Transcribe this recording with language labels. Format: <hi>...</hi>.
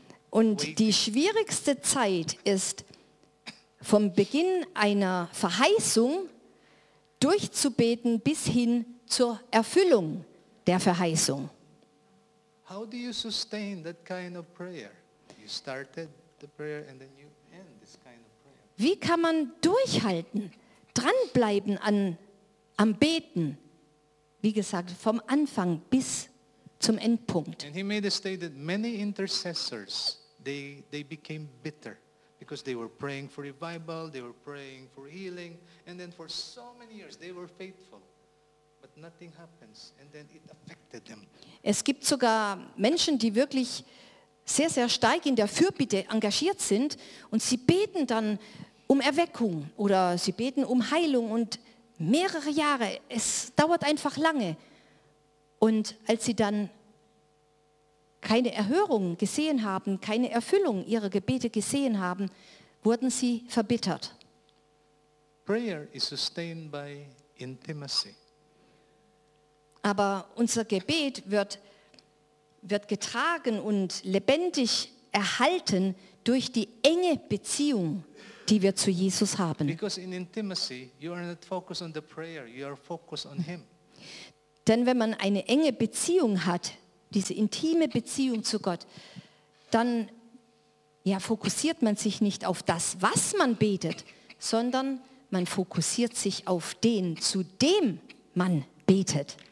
<de>Und die schwierigste Zeit ist, vom Beginn einer Verheißung durchzubeten bis hin zur Erfüllung der Verheißung.</de> <en>How do you sustain that kind of prayer? You started the prayer and then you end this kind of prayer.</en> <de>Wie kann man durchhalten, dranbleiben am Beten, wie gesagt, vom Anfang bis zum Endpunkt?</de> <en>And he made a statement, many intercessors, they became bitter. Because they were praying for revival, they were praying for healing, and then for so many years they were faithful, but nothing happens, and then it affected them.</en> <de>Es gibt sogar Menschen, die wirklich sehr, sehr stark in der Fürbitte engagiert sind, und sie beten dann um Erweckung oder sie beten um Heilung und mehrere Jahre. Es dauert einfach lange, und als sie dann keine Erhörung gesehen haben, keine Erfüllung ihrer Gebete gesehen haben, wurden sie verbittert.</de> <en>Prayer is sustained by intimacy.</en> <de>Aber unser Gebet wird getragen und lebendig erhalten durch die enge Beziehung, die wir zu Jesus haben.</de> <en>Because in intimacy you are not focused on the prayer, you are focused on him.</en> <de>Denn wenn man eine enge Beziehung hat, diese intime Beziehung zu Gott, dann ja, fokussiert man sich nicht auf das, was man betet, sondern man fokussiert sich auf den, zu dem man betet.</de>